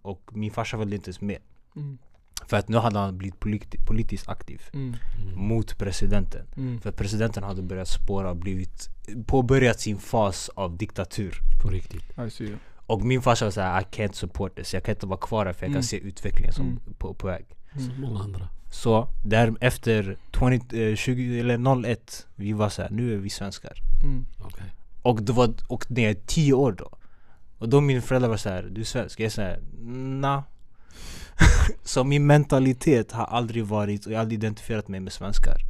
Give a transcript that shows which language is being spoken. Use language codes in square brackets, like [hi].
[sv] Och min farsa var inte ens med. Mm. För att nu hade han blivit politiskt aktiv. Mm. Mot presidenten. Mm. För presidenten hade börjat spåra och blivit påbörjat sin fas av diktatur. På riktigt. [en] I see. [sv] Och min farsa var såhär, [en] I can't support this. [sv] Jag kan inte vara kvar här för jag kan se utvecklingen som på väg. Som många andra. Så där efter 01, vi var såhär, nu är vi svenskar. Mm. Okay. Och det var, och det är 10 år då. Och då min föräldrar var såhär, du är svensk. Jag säger, nah. Så min mentalitet har aldrig varit, och jag har aldrig identifierat mig med svenskar.